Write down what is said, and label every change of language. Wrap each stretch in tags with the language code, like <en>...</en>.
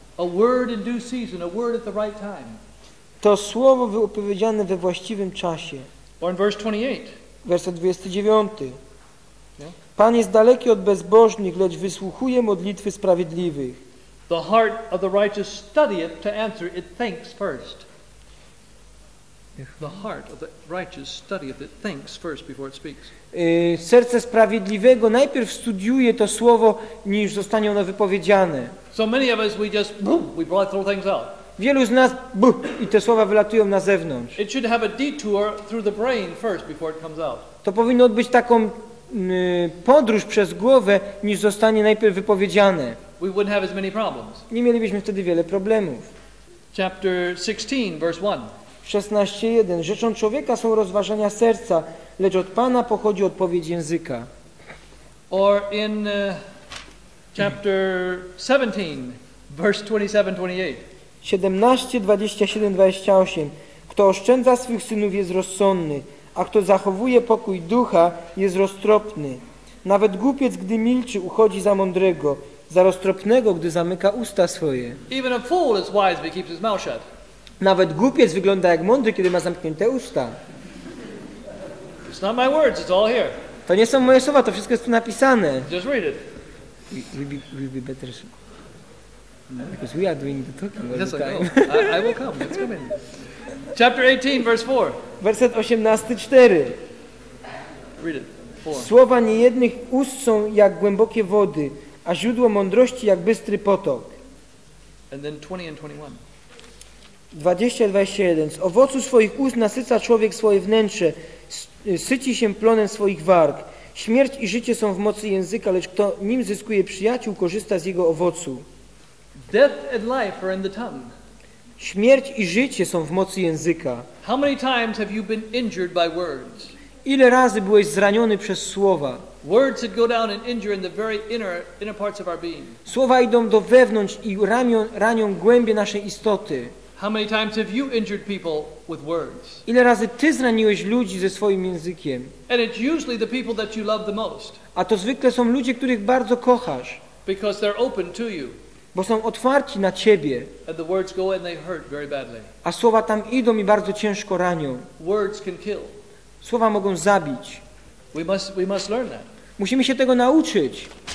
<en>A word in due season, a word at the right time.</en> <pl>To słowo wypowiedziane we właściwym czasie.</pl> <en>Or in verse 28.</en> <pl>Werset 29. Pan jest daleki od bezbożnych, lecz wysłuchuje modlitwy sprawiedliwych.</pl> <en>The heart of the righteous studieth to answer it thinks first. The heart of the righteous studieth it thinks first before it speaks.</en> <pl>Serce sprawiedliwego najpierw studiuje to słowo, niż zostanie ono wypowiedziane.</pl> <en>So many of us, we just boom, we throw things out.</en> <pl>Wielu z nas buh, i te słowa wylatują na zewnątrz.</pl> <en>It should have a detour through the brain first before it comes out.</en> <pl>To powinno być taką podróż przez głowę, niż zostanie najpierw wypowiedziane.</pl> <en>We wouldn't have as many problems.</en> <pl>Nie mielibyśmy wtedy wiele problemów.</pl> <en>Chapter 16, verse 1.</en> <pl>16:1. Rzeczą człowieka są rozważania serca, lecz od Pana pochodzi odpowiedź języka.</pl> <en>Or in chapter 17, verse 27-28.</en> <pl>17:27-28. Kto oszczędza swych synów jest rozsądny, a kto zachowuje pokój ducha jest roztropny. Nawet głupiec, gdy milczy, uchodzi za mądrego, za roztropnego, gdy zamyka usta swoje.</pl> <en>Even a fool is wise if he keeps his mouth shut.</en> <pl>Nawet głupiec wygląda jak mądry, kiedy ma zamknięte usta.</pl> <en>It's not my words, it's all here.</en> <pl>To nie są moje słowa, to wszystko jest tu napisane.</pl> <en>Just read it. We'll be better soon. Because we are doing the talking all yes, the time. I will come, let's come in. Chapter 18, verse 4.</en> <pl>Werset 18:4.</pl> <en>Read it.</en> <pl>Słowa niejednych ust są jak głębokie wody, a źródło mądrości jak bystry potok.</pl> <en>And then 20 and 21.</en> <pl>20:21. Z owocu swoich ust nasyca człowiek swoje wnętrze, syci się plonem swoich warg. Śmierć i życie są w mocy języka, lecz kto nim zyskuje przyjaciół, korzysta z jego owocu.</pl> <en>Death and life are in the tongue.</en> <pl>Śmierć i życie są w mocy języka.</pl> <en>How many times have you been injured by words?</en> <pl>Ile razy byłeś zraniony przez słowa?</pl> <en>Words that go down and injure in the very inner parts of our being.</en> <pl>Słowa idą do wewnątrz i ranią głębie naszej istoty.</pl> <en>How many times have you injured people with words?</en> <pl>Ile razy ty zraniłeś ludzi ze swoim językiem?</pl> <en>And it's usually the people that you love the most.</en> <pl>A to zwykle są ludzie, których bardzo kochasz.</pl> <en>Because they're open to you.</en> <pl>Bo są otwarci na ciebie.</pl> <en>And the words go and they hurt very badly.</en> <pl>A słowa tam idą i bardzo ciężko ranią.</pl> <en>Words can kill.</en> <pl>Słowa mogą zabić.</pl> <en>We must learn that.</en> <pl>Musimy się tego nauczyć.</pl>